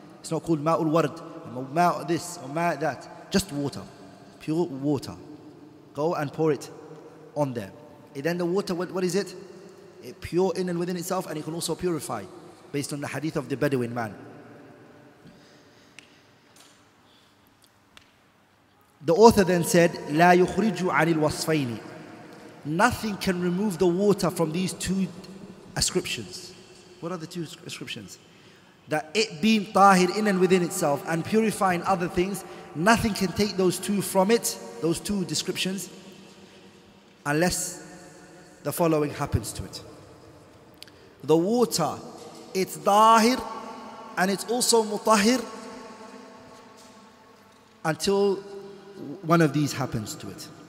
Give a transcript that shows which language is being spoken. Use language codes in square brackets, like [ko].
[en] It's not called ma'ul ward, ma' this or ma' that. Just water, pure water. Go and pour it." On there. And then the water, what is it? It pure in and within itself, and it can also purify based on the hadith of the Bedouin man. [ar] The author then said, لا يخرج عن الوصفين. [en] Nothing can remove the water from these two ascriptions. What are the two ascriptions? That it being tahir in and within itself and purifying other things, nothing can take those two from it, those two descriptions. Unless the following happens to it. The water, it's dahir and it's also mutahir until one of these happens to it.